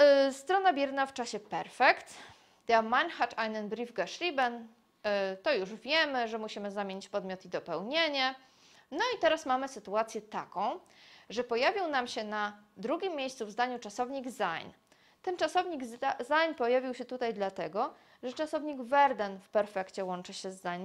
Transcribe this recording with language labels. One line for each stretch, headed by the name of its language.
Polish: Strona bierna w czasie perfekt.
German: Der Mann hat einen Brief geschrieben.
Polish: To już wiemy, że musimy zamienić podmiot i dopełnienie. No i teraz mamy sytuację taką, że pojawił nam się na drugim miejscu w zdaniu czasownik sein. Ten czasownik sein pojawił się tutaj dlatego, że czasownik werden w perfekcie łączy się z sein.